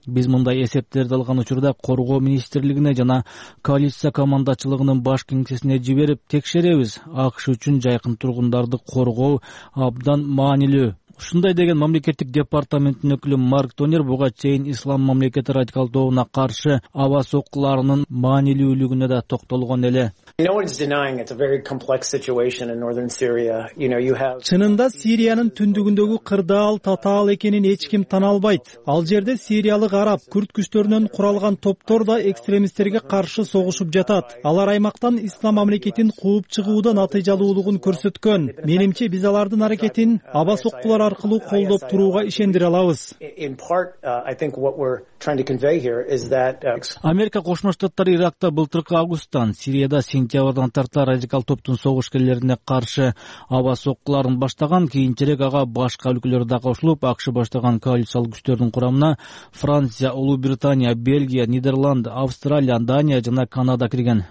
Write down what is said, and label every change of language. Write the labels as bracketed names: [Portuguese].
[Kyrgyz] Биз мындай эсептерди алган учурда коргоо министрлигине жана коалиция командачылыгынын баш кеңсесине жиберип текшеребиз. АКШ үчүн жайкын тургундарды коргоо абдан маанилүү. Ушундай деген мамлекеттик департаменттин өкүлү Марк Тонер буга чейин ислам мамлекети радикал тобуна каршы аба соккуларынын маанилүүлүгүнө да токтолгон эле. [English] No one's denying it's a very complex situation in northern Syria. You know, you have [Kyrgyz] Чынында Сириянын түндүгүндөгү кырдаал татаал экенин эч ким тана албайт. Ал жерде сириялык араб күрд күчтөрүнөн куралган топтор да экстремисттерге каршы согушуп жатат. Алар аймактан ислам мамлекетин кууп чыгууда натыйжалуулугун көрсөткөн. Менимче биз алардын аракетин аба соккулар аркылуу колдоп турууга ишендире алабыз. [English] In part, I think what we're trying to convey here is that [Kyrgyz] Америка Кошмо Штаттары Иракта былтыркы августтан Сирияда сентябрдан тарта радикал топтун согушкерлерине каршы аба соккуларын баштаган, кийинчерээк ага башка өлкөлөр да кошулуп, АШ баштаган коалициялык күчтөрдүн курамына Франция, Улуу Британия, Бельгия, Нидерланд, Австралия, Дания жана Канада кирген.